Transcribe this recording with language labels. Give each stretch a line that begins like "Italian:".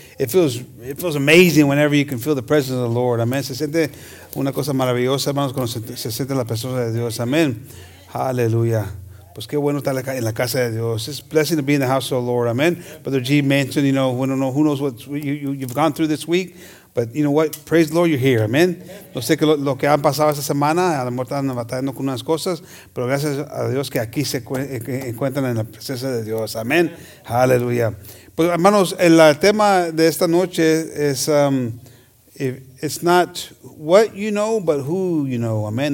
English: It feels amazing whenever you can feel the presence of the Lord. Amen.
Spanish: Se siente una cosa maravillosa, hermanos, cuando se siente la presencia de Dios. Amen. Hallelujah. Pues qué bueno estar en la casa de Dios.
English: It's a blessing to be in the house of the Lord. Amen. Brother G mentioned, you know, we don't know who knows what you've gone through this week, but you know what? Praise the Lord, you're here. Amen.
Spanish: No sé lo que han pasado esta semana, a lo mejor están batallando con unas cosas, pero gracias a Dios que aquí se encuentran en la presencia de Dios. Amen. Hallelujah. Pues hermanos, el tema de esta noche es it's not what you know, but who you know. Amen.